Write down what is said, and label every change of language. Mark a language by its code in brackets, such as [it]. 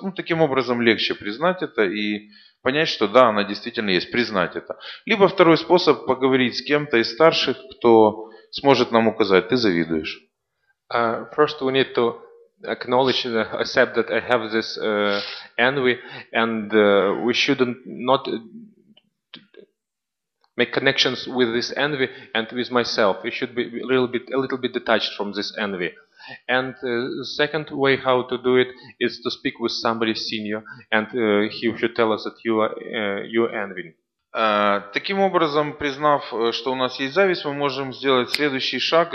[ru] Ну, таким образом, легче признать это и понять, что да, она действительно есть, признать это. Либо второй способ – поговорить с кем-то из старших, кто сможет нам указать, ты завидуешь. [en] First, we need to acknowledge, accept that I have this envy, and we should not make connections with this envy and with myself. We should be a little bit detached from this envy. And the second way how to do it is to speak with somebody senior, and he should tell us that you are envying. [ru] Таким образом, признав, что у нас есть зависть, мы можем сделать следующий шаг.